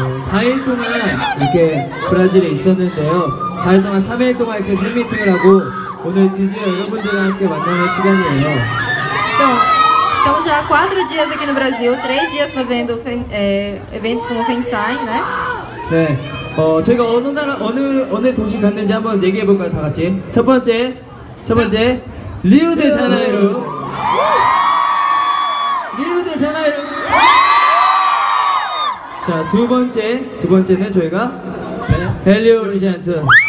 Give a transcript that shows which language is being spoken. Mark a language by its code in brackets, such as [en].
[ko] 4일 동안 이렇게 브라질에 있었는데요. 4일 동안 3일 동안 제 팬미팅을 하고 오늘 드디어 여러분들과 함께 만나는 시간이에요. [pt] Então, estamos já 4 dias aqui no Brasil, 3 dias fazendo eventos como fansign, né? [ko] 네. 제가 어느 도시 갔는지 한번 얘기해 볼까요, 다 같이? 첫 번째 리우데자네이루. 리우데자네이루. 자, 두 번째는 저희가 벨리오리지안스.